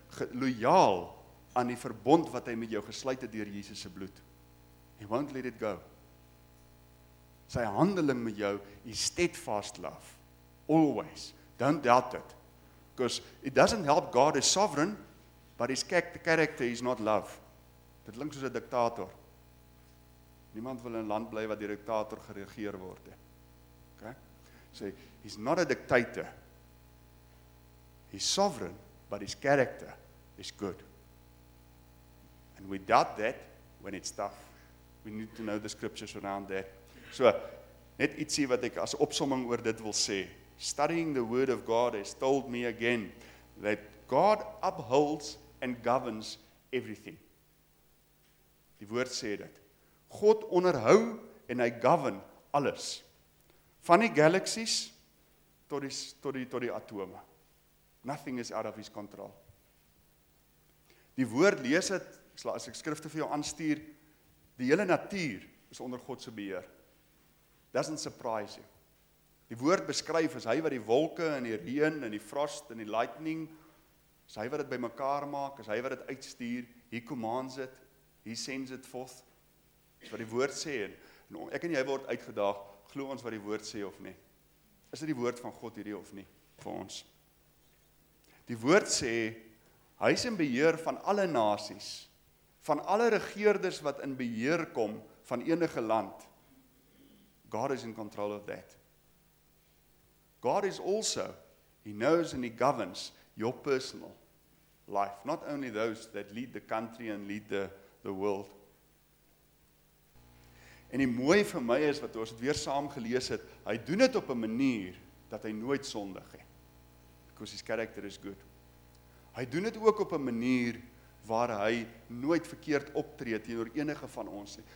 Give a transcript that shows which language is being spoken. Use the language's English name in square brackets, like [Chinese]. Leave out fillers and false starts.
[Afrikaans] Loyaal aan die verbond wat hy met jou gesluit het deur Jesus se bloed. [English] He won't let it go. [Afrikaans] Sy handeling met jou is [English] steadfast love. Always. Don't doubt it. Because it doesn't help God is sovereign, but his character is not love. [Afrikaans] Dit klink soos 'n diktator. Niemand wil in 'n land bly wat deur 'n diktator geregeer word nie. [English] Okay? Sê, he's not a dictator. He's sovereign, but his character is good. And we doubt that when it's tough. We need to know the scriptures around that. [Afrikaans] So, net ietsie wat ek as opsomming oor dit wil sê. [English] Studying the word of God has told me again that God upholds and governs everything. [Afrikaans] Die woord sê dit. God onderhou en hy govern alles. Van die galaksies tot die atome. [English] Nothing is out of his control. [Afrikaans] Die woord lees het, as ek skrifte vir jou aanstuur, die hele natuur is onder God se beheer. [English] Doesn't surprise you. [Afrikaans] Die woord beskryf is hy wat die wolke en die reën en die frost en die lightning, is hy wat dit bymekaar maak, is hy wat dit uitstuur, [English] he commands it, he sends it forth. [Afrikaans] Is wat die woord sê en ek en jy word uitgedaag, glo ons wat die woord sê of nie? Is dit die woord van God hierdie of nie vir ons? Die woord sê hy is in beheer van alle nasies, van alle regeerders wat in beheer kom van enige land. [English] God is in control of that. God is also, he knows and he governs your personal life. Not only those that lead the country and lead the world. [Afrikaans] En die mooi vir my is, wat ons het weer saam gelees het, hy doen het op 'n manier dat hy nooit sondig het. [English] Because his character is good. [Afrikaans] Hy doen het ook op 'n manier waar hy nooit verkeerd optree teenoor enige van ons nie.